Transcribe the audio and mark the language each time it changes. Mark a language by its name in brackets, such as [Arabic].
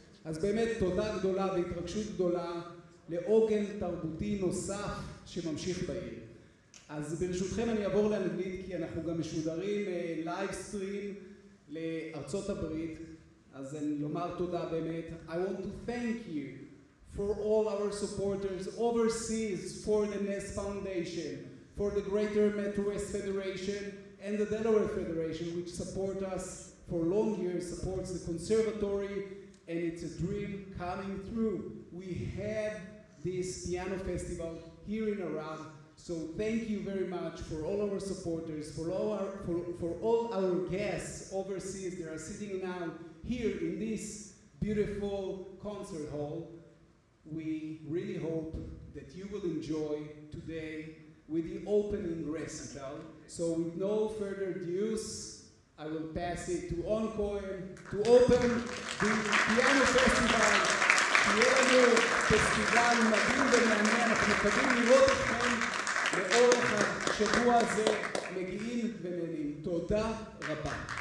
[Hebrew] אז באמת תודה גדולה והתרגשות גדולה לעוגן תרבותי נוסף שממשיך בעיר. אז ברשותכם אני אעבור לאנגלית, כי אנחנו גם משודרים לייב סטרים לארצות הברית, אז אני לומר תודה באמת. [English] I want to thank you for all our supporters overseas, for the NES Foundation, for the Greater Midwest Federation, and the Delaware Federation, which support us for long years, supports the conservatory, and it's a dream coming through. We have this piano festival here in Iran, so thank you very much for all our supporters, for all our guests overseas that are sitting now here in this beautiful concert hall. We really hope that you will enjoy today with the opening recital. So with no further ado, I will pass it to Oren Cohen to open the piano festival. [Hebrew] Piano festival מדהים ומעניין. אנחנו מקווים לראות אתכם לאורך השבוע הזה מגיעים ונהנים. תודה רבה.